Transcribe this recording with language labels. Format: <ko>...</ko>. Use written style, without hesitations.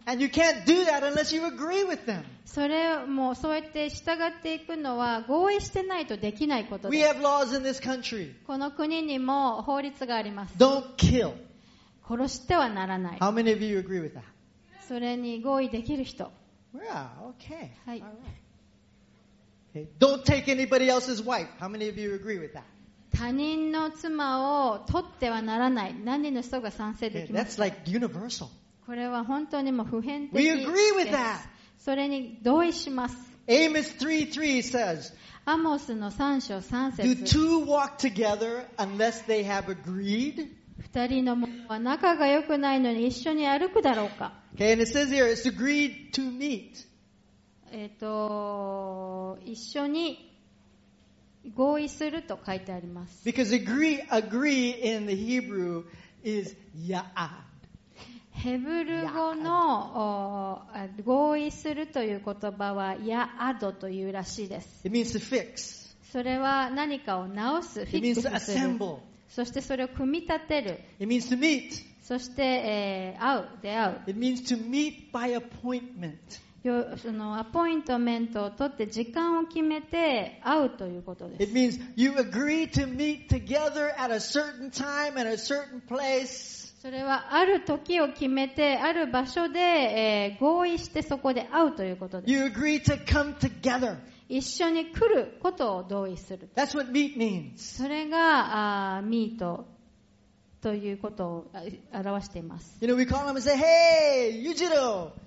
<en>and you can't do that unless you agree with them.</en> <ja>それもそうやって従っていくのは合意してないとできないことです。</ja> <en>We have laws in this country.</en> <ja>この国にも法律があります。</ja> <en>Don't kill.</en> <ja>殺してはならない。</ja> <en>How many of you agree with that?</en> <ja>それに合意できる人。</ja> <en>Yeah, okay.</en> <ja>はい。</ja> <en>Okay. Don't take anybody else's wife. How many of you agree with that?</en> <ja>他人の妻を取ってはならない。何人の人が賛成できますか？</ja> <en>Okay, that's like、</en> <ja>これは本当にも普遍的です。</ja> <en>We agree with that.</en> <ja>それに同意します。</ja> <en>Amos 3:3 says,</en> <ja>アモスの3章3節、</ja> <en>Do two walk together unless they have agreed?</en> <ja>2人の者は仲が良くないのに一緒に歩くだろうか。</ja> <en>Okay, and it says here, it's agreed to meet.</en> <ja>一緒に合意すると書いてあります。</ja> <en>Because agree in the Hebrew is ya'ad.</en> <ja>ヘブル語の合意するという言葉は ya'ad というらしいです。</ja> <en>It means to fix.</en> <ja>それは何かを直す。</ja> <en>It means to assemble.</en> <ja>そしてそれを組み立てる。</ja> <en>It means to meet.</en> <ja>そして会う、出会う。</ja> <en>It means to meet by appointment.</en> <ja>そのアポイントメントを取って時間を決めて会うということです。</ja> <en>It means you agree to meet together at a certain time and a certain place.</en> <ja>それはある時を決めてある場所で合意してそこで会うということです。</ja> <en>You agree to come together.</en> <ja>一緒に来ることを同意する。</ja> <en>That's what meet means.</en> <ja>それがミートということを表しています。</ja> <en>You know, we call him and say, "Hey, Yujiro."</en>